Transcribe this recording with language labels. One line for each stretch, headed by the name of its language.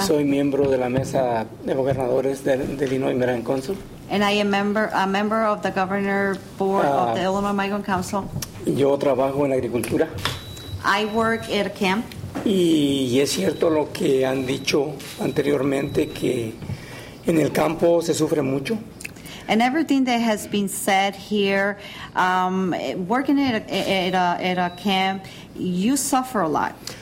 Spanish: Soy miembro de la mesa de gobernadores del Illinois Migrant Council.
English: And I am a member of the governor board of the Illinois Migrant Council.
Spanish: Yo trabajo en agricultura.
English: I work at a camp.
Spanish: Y es cierto lo que han dicho anteriormente, que en el campo se sufre mucho.
English: And everything that has been said here, working at a camp, you suffer a lot.